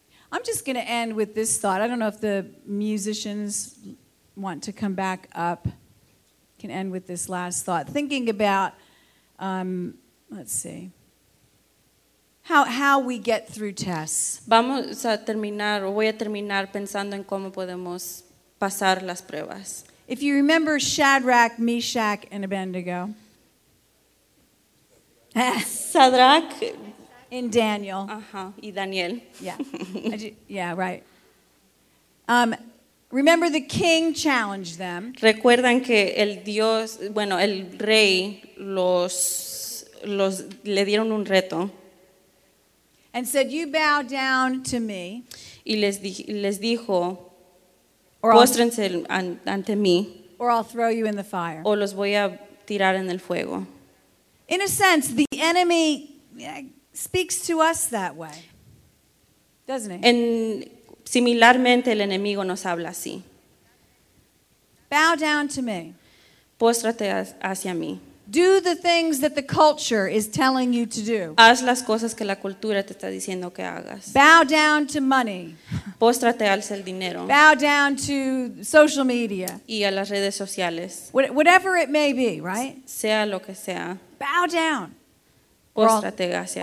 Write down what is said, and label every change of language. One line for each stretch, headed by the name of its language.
English: I'm just going to end with this thought. I don't know if the musicians want to come back up. Can end with this last thought. Thinking about, let's see, how we get through tests.
Spanish: Vamos a terminar, o voy a terminar pensando en cómo podemos pasar las pruebas.
English: If you remember Shadrach, Meshach, and Abednego.
Spanish: Sadrach
English: and Daniel.
Spanish: Uh-huh. Y Daniel.
English: Yeah, right. Remember the king challenged them.
Spanish: Recuerdan que el Dios, bueno, el rey los le dieron un reto.
English: And said, "You bow down to me."
Spanish: Y les dijo, "Póstrense ante mí."
English: Or I'll throw you in the fire.
Spanish: O los voy a tirar en el fuego.
English: In a sense, the enemy speaks to us that way, doesn't he?
Spanish: Similarmente, el enemigo nos habla así.
English: Bow down to me.
Spanish: Póstrate hacia mí.
English: Do the things that the culture is telling you to do.
Spanish: Haz las cosas que la cultura te está diciendo que hagas.
English: Bow down to money.
Spanish: Póstrate al el dinero.
English: Bow down to social media.
Spanish: Y a las redes sociales.
English: Whatever it may be, right?
Spanish: Sea lo que sea.
English: Bow down.
Spanish: Póstrate hacia